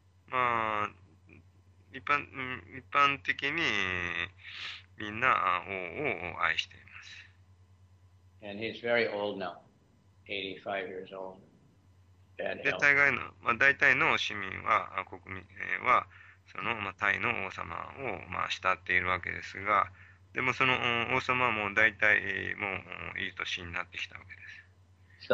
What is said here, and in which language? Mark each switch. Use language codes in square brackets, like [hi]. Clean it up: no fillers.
[ja] ます。まあ、一般的にみんな王を愛しています。 [en] And he's very old now, 85 years old, bad [ja] で、 [en] health. [ja] 大概の、まあ、大体の市民は、国民は、その、まあ、タイの王様を、まあ、慕っているわけですが、でもその王様も大体もういい年になってきたわけです。